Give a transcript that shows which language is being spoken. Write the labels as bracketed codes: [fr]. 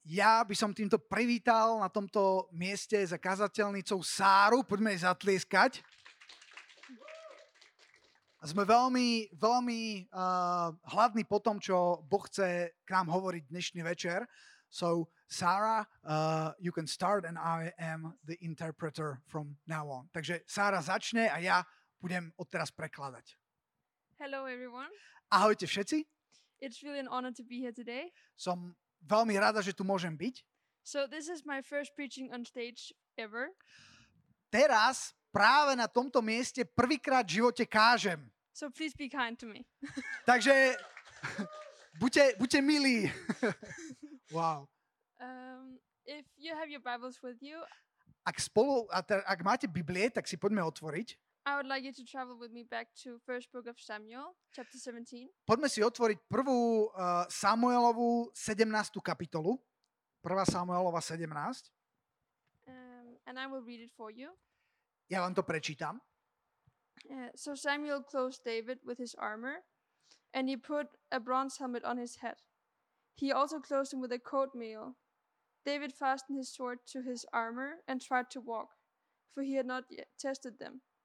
[sk] Ja by som týmto privítal na tomto mieste za kazateľnicou Sáru. Poďme jej zatlieskať. Sme veľmi, veľmi hladní po tom, čo Boh chce k nám hovoriť dnešný večer. [en] So, Sara, you can start and I am the interpreter from now on. [sk] Takže Sara začne a ja budem odteraz prekladať. [en] Hello everyone. [sk] Ahojte všetci. [en] It's really an honor to be here today. [sk] Som veľmi rada, že tu môžem byť. [en] So this is my first preaching on stage ever. [sk] Teraz práve na tomto mieste prvýkrát v živote kážem. [en] So please be kind to me. [sk] Takže buďte milí. Wow. [en] If you have your Bibles with you. [sk] Ak máte Biblie, tak si poďme otvoriť. [en] I would like you to travel with me back to first book of Samuel, chapter 17. [sk] Poďme si otvoriť prvú Samuelovú 17. kapitolu. Prvá Samuelova 17. [en] And I will read it for you. [sk] Ja vám to prečítam. [en] So Samuel clothed David with his armor and he put a bronze helmet on his head. He also clothed him with a coat mail. David fastened his sword to his armor and tried to walk, for he had not yet tested them.